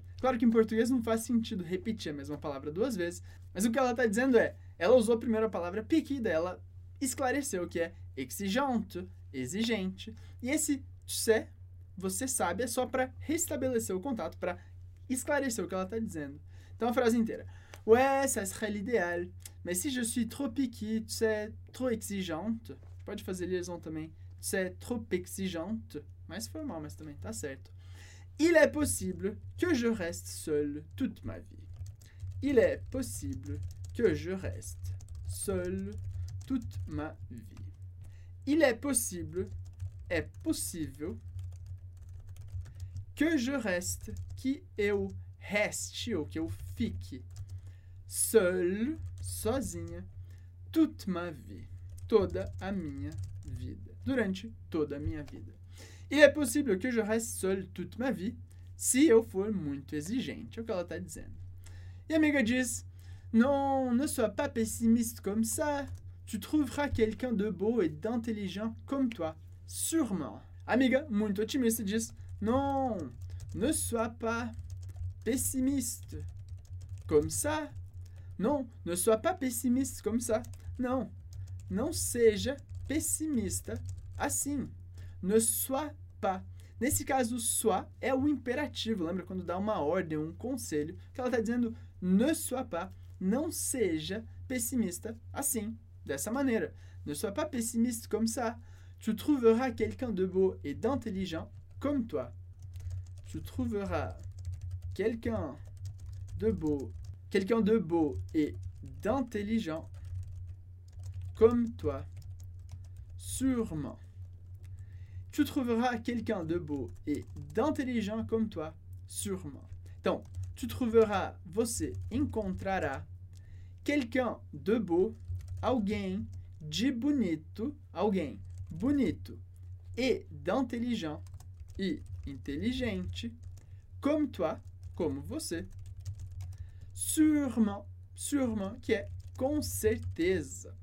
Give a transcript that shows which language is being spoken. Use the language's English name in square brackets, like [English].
[Portuguese] Claro que em português não faz sentido repetir a mesma palavra duas vezes, mas o que ela está dizendo é, ela usou a primeira palavra picky, daí ela esclareceu que é exigente, exigente. E esse você sabe, é só para restabelecer o contato, para esclarecer o que ela está dizendo. Então a frase inteira. [French] Ouais, ça serait l'idéal, mais si je suis trop picky, trop exigente. [Portuguese] Pode fazer liaison também. [French] Trop exigente. [Portuguese] Mais formal, mas também tá certo. [French] Il est possible que je reste seul toute ma vie. Il est possible que je reste seul toute ma vie. Il est possible, [Portuguese] est possível, [French] que je reste, [Portuguese] que eu reste, ou que eu fique, seul, sozinha, [French] toute ma vie, [Portuguese] toda a minha vida, durante toda a minha vida. [French] Il est possible que je reste seul toute ma vie [Portuguese] si eu for muito exigente. É o que ela está dizendo. E a amiga diz, [French] non, ne sois pas pessimiste comme ça. Tu trouveras quelqu'un de beau et d'intelligent comme toi, sûrement. [Portuguese] Amiga, muito otimista, diz, [French] non, ne sois pas pessimiste comme ça. Non, ne sois pas pessimiste comme ça. [Portuguese] Non, não seja pessimista assim. [French] Ne sois pas. [Portuguese] Nesse caso, sois é o imperativo. Lembra quando dá uma ordem, um conselho, que ela está dizendo, [French] ne sois pas, [Portuguese] não seja pessimista assim, dessa maneira. [French] Ne sois pas pessimiste comme ça. Tu trouveras quelqu'un de beau et d'intelligent comme toi. Tu trouveras quelqu'un de beau et d'intelligent comme toi. Sûrement. Tu trouveras quelqu'un de beau et d'intelligent comme toi, sûrement. [Portuguese] Então, [French] tu trouveras, [Portuguese] você encontrará, [French] quelqu'un de beau, [Portuguese] alguém de bonito, alguém bonito [French] et d'intelligent [Portuguese] e inteligente, [French] comme toi, [Portuguese] como você, [French] sûrement, sûrement, [Portuguese] que é com certeza.